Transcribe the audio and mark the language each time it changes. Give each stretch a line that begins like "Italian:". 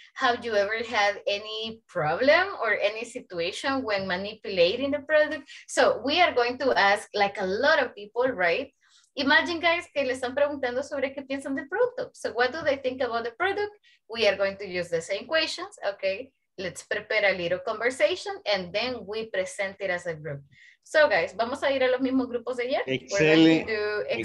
English: Have you ever had any problem or any situation when manipulating the product? So we are going to ask like a lot of people, right? Imagine, guys,
Spanish: que le están preguntando sobre qué piensan del producto.
English: So what do they think about the product? We are going to use the same questions, okay? Let's prepare a little conversation and then we present it as a group. So, guys,
Spanish: vamos a ir a los mismos grupos de ayer.